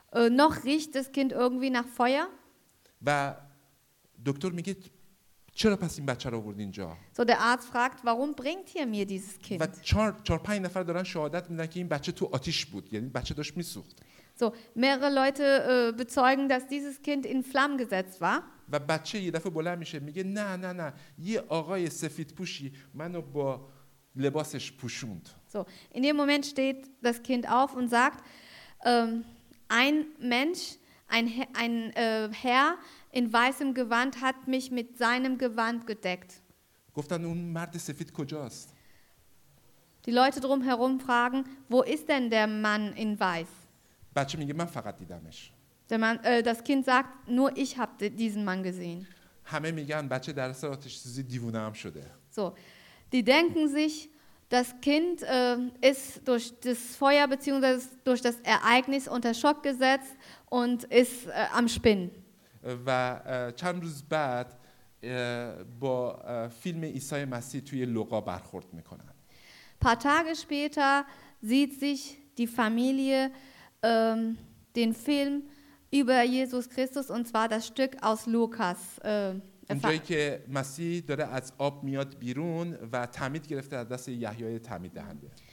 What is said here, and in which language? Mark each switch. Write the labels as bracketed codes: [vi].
[de] Noch riecht das Kind irgendwie nach Feuer. [fa] و دکتر میگه چرا پس این بچه رو آورد اینجا؟ [de] So der Arzt fragt, warum bringt ihr mir dieses Kind? [fa] و چهار پنج نفر دارن شهادت میدن که این بچه تو آتش بود. یعنی بچه داشت میسوخت. [de] So mehrere Leute bezeugen, dass dieses Kind in Flammen gesetzt war. [fa] و بچه یه دفعه بلند میشه میگه نه نه نه یه آقای سفید پوشی منو با لباسش پوشوند. [de] So in dem Moment steht das Kind auf und sagt ein Mensch, ein Herr in weißem Gewand hat mich mit seinem Gewand gedeckt. [fa] گفتن اون مرد سفید کجاست؟ [de] Die Leute drumherum fragen, wo ist denn der Mann in weiß? [fa] بچه میگه من فقط دیدمش. [de] Der Mann, das Kind sagt, nur ich habe diesen Mann gesehen. [fa] همه میگن بچه در اثر آتش سوزی دیوونه هم شده. [de] So, die denken sich, das Kind ist durch das Feuer bzw. durch das Ereignis unter Schock gesetzt und ist am Spinnen. [fa] و چند روز بعد با فیلم عیسی مسیح توی لوقا برخورد میکنن. [de] Paar Tage später sieht sich die Familie den Film über Jesus Christus und zwar das Stück aus Lukas. [fa] اونجایی که مسیح داره از آب میاد بیرون و تعمید گرفته از دست یحیای تعمید دهنده.